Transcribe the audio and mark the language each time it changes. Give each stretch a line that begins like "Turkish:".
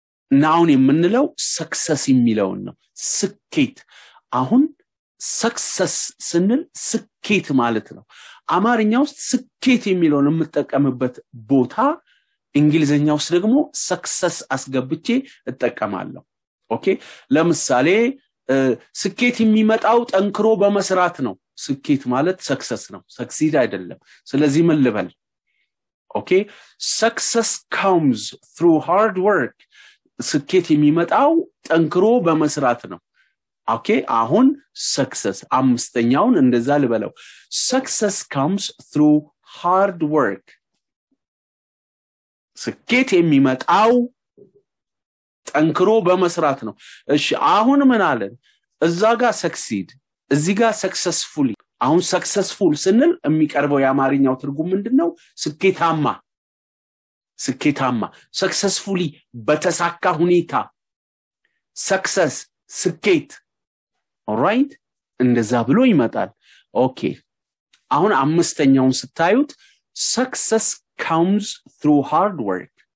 Amharic: noun የምንለው success የሚለውን ነው። ስኬት አሁን success ስንል ስኬት ማለት ነው። አማርኛ ውስጥ ስኬት የሚለውን የምጠቀምበት ቦታ እንግሊዘኛ ውስጥ ደግሞ success አስገብቼ እጠቀማለሁ። ኦኬ? ለምሳሌ ስኬት የሚመጣው ጠንክሮ በመስራት ነው። ስኬት ማለት success ነው፣ succeed አይደለም። ስለዚህ ምን ልበል? ኦኬ?
English: success comes through hard work.
Amharic: ስኬት የሚመጣው ጠንክሮ በመስራት ነው። ኦኬ?
English: አሁን success
Amharic: አምስተኛውን እንደዛ ልበለው።
English: success comes through hard work.
Amharic: ስኬት የሚመጣው ጠንክሮ በመስራት ነው። እሺ አሁን ምን አለን? እዛ ጋር ሰክሲድ እዚ ጋር ሰክሰስፉሊ። አሁን ሰክሰስፉል ስንል የሚቀርበው ያማርኛው ትርጉም ምንድነው? ስኬታማ ስኬታማ ሰክሰስፉሊ በተሳካ ሁኔታ ሰክሰስ ስኬት ኦራይት እንደዛ ብሎ ይመጣል። ኦኬ አሁን አምስተኛውን ስታዩት ሰክሰስ
English: comes through hard work.